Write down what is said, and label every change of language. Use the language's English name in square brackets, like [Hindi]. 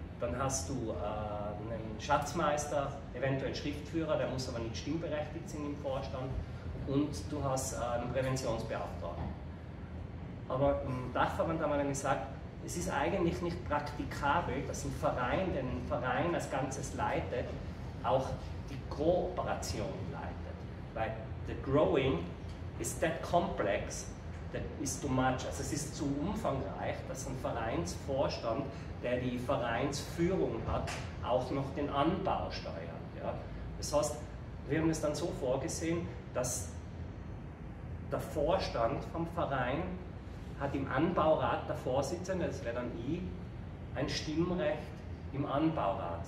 [German] Dann hast du einen Schatzmeister, eventuell Schriftführer, der muss aber nicht stimmberechtigt sein im Vorstand. Und du hast einen Präventionsbeauftragten. Aber im Dachverband haben wir dann gesagt, es ist eigentlich nicht praktikabel, dass ein Verein, der einen Verein als Ganzes leitet, auch die Kooperation leitet. Weil [English] the growing is that complex, that is too much. [German] Also es ist zu umfangreich, dass ein Vereinsvorstand, der die Vereinsführung hat, auch noch den Anbau steuert. Ja. Das heißt, wir haben es dann so vorgesehen, dass der Vorstand vom Verein hat im Anbaurat der Vorsitzende, das wäre dann ich, ein Stimmrecht im Anbaurat.